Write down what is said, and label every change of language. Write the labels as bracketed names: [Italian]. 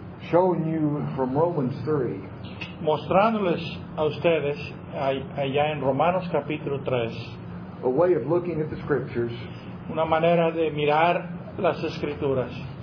[English] Showing you from Romans 3. [Spanish] Mostrándoles a ustedes allá en Romanos capítulo 3. [English] A way of looking at the scriptures. [Spanish] Una manera de mirar las escrituras.